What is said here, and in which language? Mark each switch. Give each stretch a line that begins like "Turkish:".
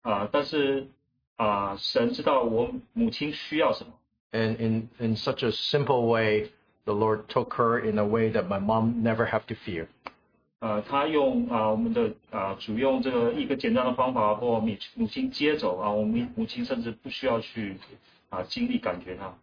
Chinese: 但是, 神知道我母亲需要什么。
English: And in such a simple way, the Lord took her in a way that my mom never had to fear.
Chinese: 他用我们的主用这个一个简单的方法把我母亲接走，我母亲甚至不需要去经历感觉他。